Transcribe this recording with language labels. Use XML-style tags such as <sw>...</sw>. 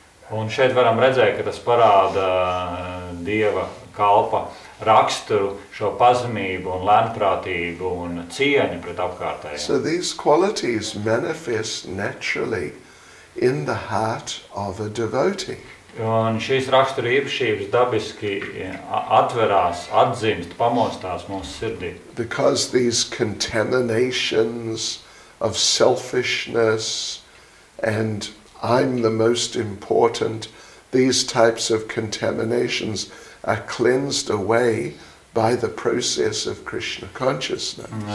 <lv>Un šeit varam redzēt, ka tas parāda Dieva kalpa raksturu, šo pazemību un lēnprātību un cieņu pret apkārtējiem.</lv> <en>So these qualities manifest naturally in the heart of a devotee.</en> <lv>Un šīs rakstura īpašības dabiski atverās, atzimst, pamostās mūsu sirdī.</lv> <en>Because these contaminations of selfishness and I'm the most important, these types of contaminations are cleansed away by the process of Krishna consciousness.</en>